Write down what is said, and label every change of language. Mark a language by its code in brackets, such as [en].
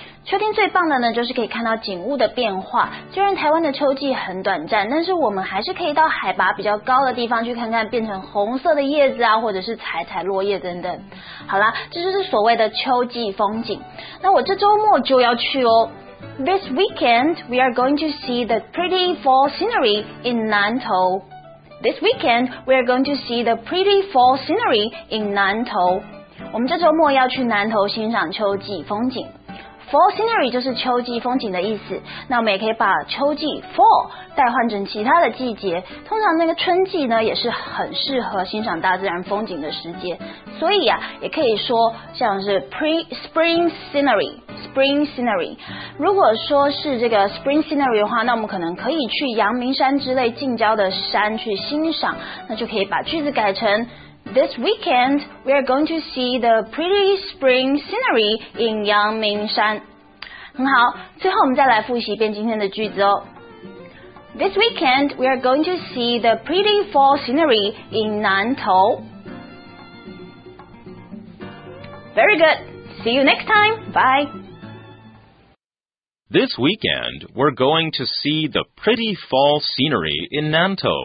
[zh] 秋天最棒的呢，就是可以看到景物的变化。虽然台湾的秋季很短暂，但是我们还是可以到海拔比较高的地方去看看变成红色的叶子啊，或者是采采落叶等等。好啦，这就是所谓的秋季风景。那我这周末就要去哦。 [en] This weekend, we are going to see the pretty fall scenery in 南投。 This weekend, we are going to see the pretty fall scenery in 南投。 [zh] 我们这周末要去南投欣赏秋季风景。 Fall scenery 就是秋季风景的意思，那我们也可以把秋季 fall 代换成其他的季节，通常那个春季呢也是很适合欣赏大自然风景的时节，所以啊也可以说像是 spring scenery。如果说是这个 spring scenery 的话，那我们可能可以去阳明山之类近郊的山去欣赏，那就可以把句子改成 [en] This weekend, we are going to see the pretty spring scenery in [zh] 阳明山。很好，最后我们再来复习一遍今天的句子哦。 [en] This weekend, we are going to see the pretty fall scenery in 南投。 Very good. See you next time. Bye. This weekend, we're going to see the pretty fall scenery in 南投。